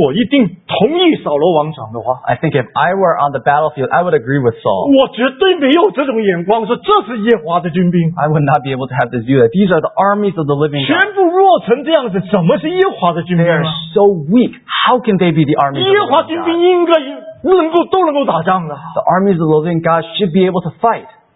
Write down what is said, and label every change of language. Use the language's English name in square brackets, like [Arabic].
[Chinese] 我读这个哈，我如果去战场，我一定同意扫罗王讲的话。 [English] I think if I were on the battlefield, I would agree with Saul. [Chinese] 我绝对没有这种眼光，说这是耶和华的军兵。 [English] I would not be able to have this view that these are the armies of the living God. [Chinese] 全部弱成这样子，怎么是耶和华的军兵？ [English] They are so weak. How can they be the armies of the living God? [Chinese] 耶和华军兵应该 [English] The armies of the living God should be able to fight.